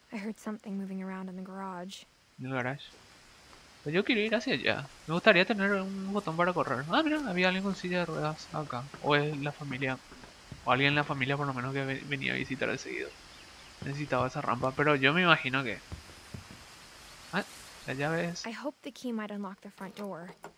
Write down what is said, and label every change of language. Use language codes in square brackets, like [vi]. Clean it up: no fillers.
[en] I heard something moving around in the garage. [es] En el garage. Pues yo quiero ir hacia allá. Me gustaría tener un botón para correr. Ah, mira, había alguien con silla de ruedas acá. O es la familia. O alguien en la familia, por lo menos, que venía a visitar de seguido. Necesitaba esa rampa, pero yo me imagino que. Ah, la llave es. [en] I hope the key might unlock the front door.